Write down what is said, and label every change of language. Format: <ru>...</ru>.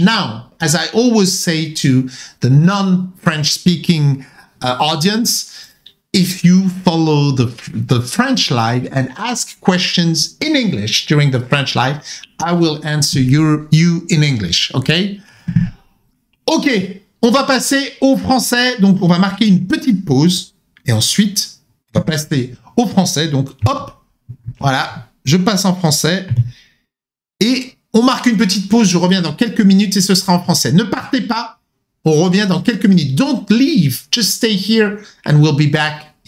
<en>Now, as I always say to the non-French speaking audience, if you follow the French live and ask questions in English during the French live, I will answer you in English, okay?</en> <fr>Okay, on va passer au français. Donc, on va marquer une petite pause et ensuite, on va passer au français. Donc, hop, voilà, je passe en français et on marque une petite pause. Je reviens dans quelques minutes et ce sera en français. Ne partez pas, on revient dans quelques minutes.</fr> <en>Don't leave, just stay here and we'll be back.</en>